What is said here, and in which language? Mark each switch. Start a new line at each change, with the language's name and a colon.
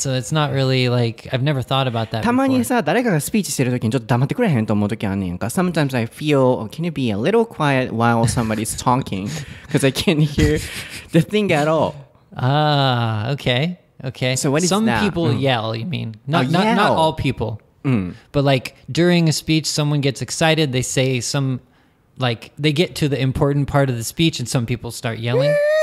English: So it's not really like, I've never thought about that
Japanese: たまにさ、誰かがスピーチしてるときにちょっと黙ってくれへんと思うときあんねんか。
English: Sometimes I feel, can you be a little quiet while somebody's talking? Because I can't hear the thing at all. Okay. Okay. So what is some that? People yell, you mean? Not all people. But like during a speech, someone gets excited, they say some, like they get to the important part of the speech and some people start yelling.